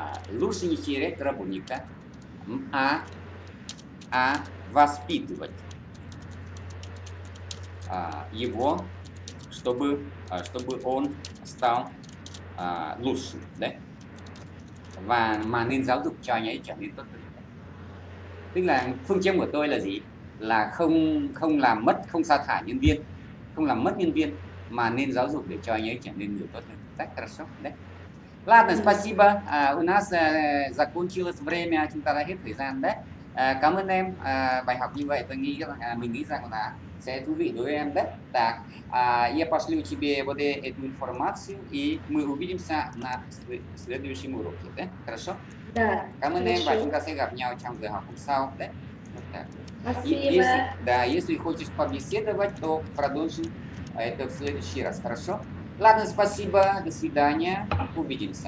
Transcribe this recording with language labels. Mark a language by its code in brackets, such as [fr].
[ru] Лучше не терять работника. А воспитывать его, чтобы он стал лучше, да? [vi] Và mà nên giáo dục cho anh ấy trở nên tốt hơn. Tức là phương châm của tôi là gì? Là không làm mất, không sa thải nhân viên, không làm mất nhân viên, mà nên giáo dục để cho anh ấy trở nên người tốt hơn. [ru] Так хорошо, да? Ладно, спасибо. У нас закончилось время, [vi] chúng ta đã hết thời gian, да? Cảm ơn em. Bài học như vậy, мы nghĩ rằng là sẽ thú vị đối với em, да? [ru] Так, я пошлю тебе вот эту информацию, и мы увидимся на следующем уроке, да? Хорошо? Да. [vi] Cảm ơn em, và chúng ta sẽ gặp nhau trong giờ học hôm sau, да? [ru] Спасибо. Если хочешь побеседовать, то продолжим это в следующий раз, хорошо? Ладно, спасибо, до свидания, увидимся.